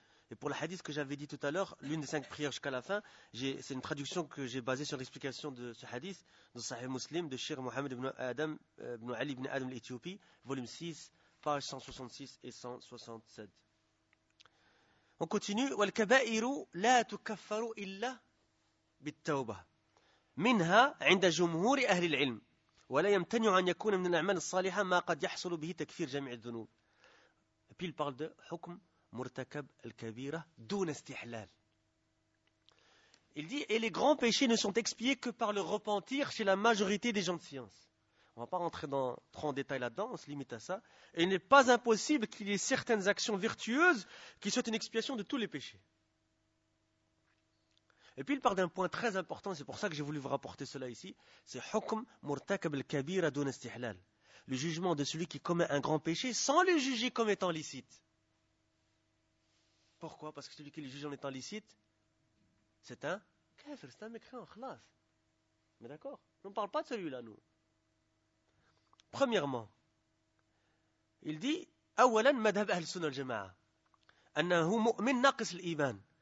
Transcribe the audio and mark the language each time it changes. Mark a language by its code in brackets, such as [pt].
[fr] Et pour le hadith que j'avais dit tout à l'heure, l'une des cinq prières jusqu'à la fin, c'est une traduction que j'ai basée sur l'explication de ce hadith dans le Sahih Muslim de Cheikh Mohammed ibn Ali ibn Adam l'Éthiopie, volume 6, page 166 et 167. On continue. [ar] Wal kaba'iru la tukaffaru illa بالتوبة منها عند جمهور أهل العلم ولا يمتنع أن يكون من الأعمال الصالحة ما قد يحصل به تكفير جميع الذنوب. [fr] Puis il parle de [ar] حكم مرتكب الكبيرة دون استحلال. [fr] Il dit, et les grands péchés ne sont expiés que par le repentir chez la majorité des gens de science. On ne va pas rentrer dans trop en détail là-dedans, on se limite à ça. Et il n'est pas impossible qu'il y ait certaines actions vertueuses qui soient une expiation de tous les péchés. Et puis il parle d'un point très important, c'est pour ça que j'ai voulu vous rapporter cela ici, c'est [ar] حكم مرتكب الكبيرة دون استحلال. [fr] Le jugement de celui qui commet un grand péché sans le juger comme étant licite. Pourquoi? Parce que celui qui le juge en étant licite, c'est un kafir, c'est un mécréant, khlas. Mais d'accord, on ne parle pas de celui-là, nous. Premièrement, il dit [ar] أولا مذهب أهل السنة الجماعة أنه مؤمن ناقص الإيمان.